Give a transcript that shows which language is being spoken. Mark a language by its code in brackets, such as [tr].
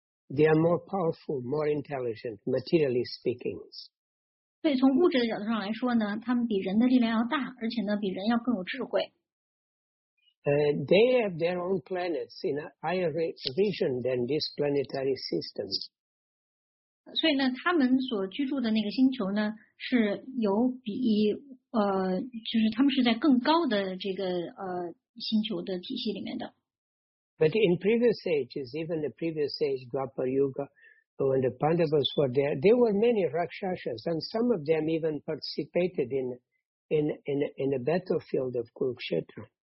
[en] They are more powerful, more intelligent, materially speaking. [zh] 对，从物质的角度上来说呢，他们比人的力量要大，而且呢比人要更有智慧。 [en] They have their own planets in a higher region than this planetary system. [zh] 所以呢，他们所居住的那个星球呢是有比就是他们是在更高的这个星球的体系里面的。 [en] But in previous ages, even the previous age, Dwapara Yuga, when the Pandavas were there, there were many Rakshasas, and some of them even participated in the battlefield of Kurukshetra.